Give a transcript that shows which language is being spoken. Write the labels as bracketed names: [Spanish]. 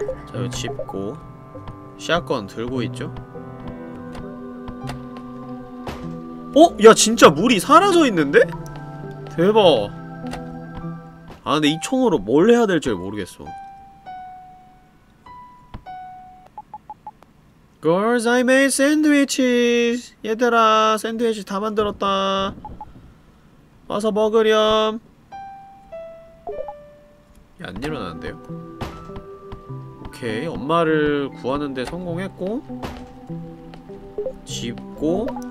[Korean] 자 여기 짚고 샷건 들고 있죠? 어? 야 진짜 물이 사라져 있는데? 대박. 아 근데 이 총으로 뭘 해야 될지 모르겠어. [English] Girls, I made sandwiches. [Korean] 얘들아, 샌드위치 다 만들었다. 와서 먹으렴. 야, 안 일어나는데요? 오케이, 엄마를 구하는데 성공했고. 집고.